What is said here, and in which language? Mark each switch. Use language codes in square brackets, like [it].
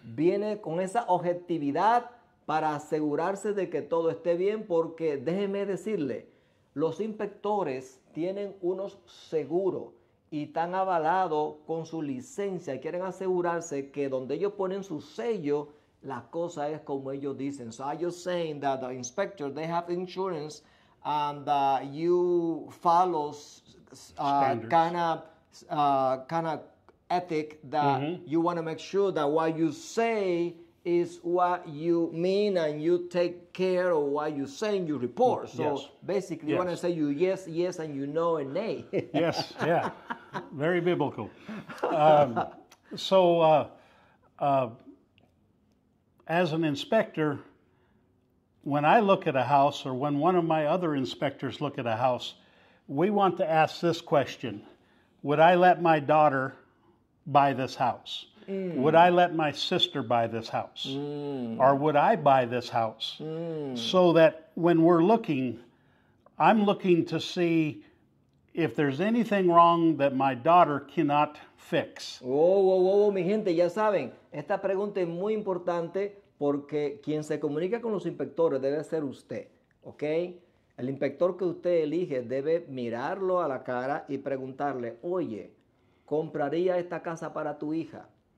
[es] Viene con esa objetividad para asegurarse de que todo esté bien, porque déjeme decirle, los inspectores tienen unos seguros y están avalados con su licencia y quieren asegurarse que donde ellos ponen su sello, la cosa es como ellos dicen. [en] So are you saying that the inspector, they have insurance and you follow kind of ethic that you want to make sure that what you say is what you mean and you take care of what you say in your report. So basically you want to say you yes, yes, and you know and nay. Yes, yeah. Very biblical. As an inspector, when I look at a house or when one of my other inspectors look at a house, we want to ask this question. Would I let my daughter buy this house? Mm. Would I let my sister buy this house? Mm. Or would I buy this house? Mm. So that when we're looking, I'm looking to see if there's anything wrong that my daughter cannot fix. [es] Mi gente, ya saben, esta pregunta es muy importante porque quien se comunica con los inspectores debe ser usted, ¿ok? El inspector que usted elige debe mirarlo a la cara y preguntarle, oye, ¿compraría esta casa para tu hija?